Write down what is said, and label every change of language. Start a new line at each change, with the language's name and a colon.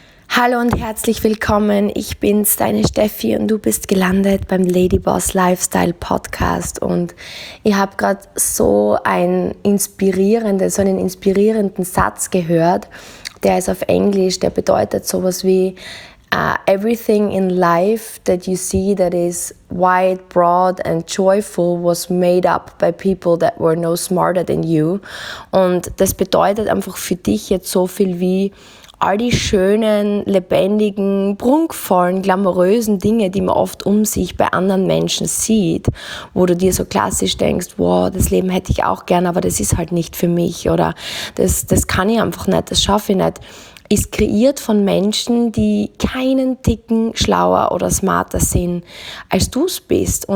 German: Hallo und herzlich willkommen. Ich bin's, deine Steffi, und du bist gelandet beim Ladyboss Lifestyle Podcast. Und ich habe gerade so einen inspirierenden Satz gehört. Der ist auf Englisch, der bedeutet sowas wie
English: Everything in life that you see that is wide, broad and joyful was made up by people that were no smarter than you.
German: Und das bedeutet einfach für dich jetzt so viel wie all die schönen, lebendigen, prunkvollen, glamourösen Dinge, die man oft um sich bei anderen Menschen sieht, wo du dir so klassisch denkst, wow, das Leben hätte ich auch gern, aber das ist halt nicht für mich oder das kann ich einfach nicht, das schaffe ich nicht, ist kreiert von Menschen, die keinen Ticken schlauer oder smarter sind, als du es bist.